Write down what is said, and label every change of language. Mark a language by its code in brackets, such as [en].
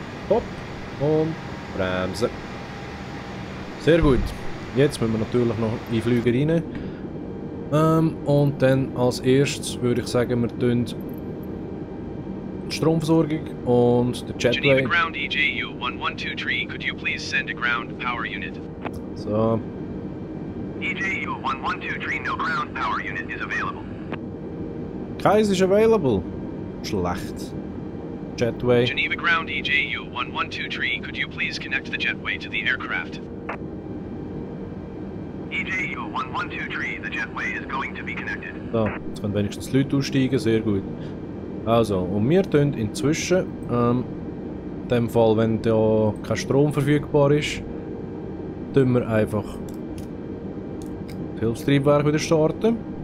[de] Hopp und Bremse. Sehr gut. Jetzt müssen wir natürlich noch in den Flieger rein. Und dann als erstes würde ich sagen, wir tun die Stromversorgung und den Jetway. [en] Geneva Ground EJU 1123, could you please send a ground power unit? So. EJU 1123, no ground power unit is available. [de] Keis ist available. Schlecht. Jetway. [en] Geneva Ground EJU 1123, could you please connect the jetway to the aircraft? EJU 1123, the jetway is going to be connected. [de] So, jetzt können wenigstens Leute aussteigen, sehr gut. Also, und wir tun inzwischen, in dem Fall, wenn da kein Strom verfügbar ist, tun wir einfach das Hilfstriebwerk wieder starten.